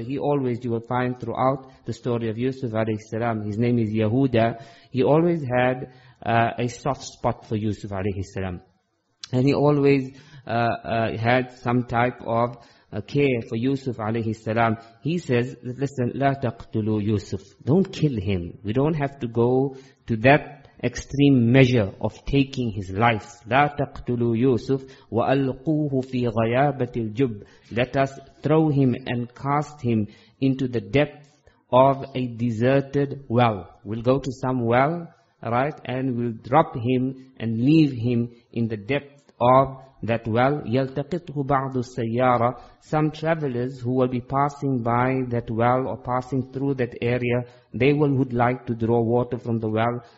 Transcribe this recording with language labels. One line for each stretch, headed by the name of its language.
English: He always, you will find throughout the story of Yusuf a.s., his name is Yehuda, he always had a soft spot for Yusuf a.s. And he always had some type of care for Yusuf alayhi salam. He says, listen,
Arabic: لا تقتلوا يوسف.
English: Don't kill him. We don't have to go to that extreme measure of taking his life.
Arabic: لا تقتلوا يوسف وألقوه في غيابة الجب.
English: Let us throw him and cast him into the depth of a deserted well. We'll go to some well, right? And we'll drop him and leave him in the depth of that well,
Arabic: يَلْتَقِطْهُ بَعْضُ السَّيَّارَةِ
English: Some travelers who will be passing by that well or passing through that area, they would like to draw water from the well.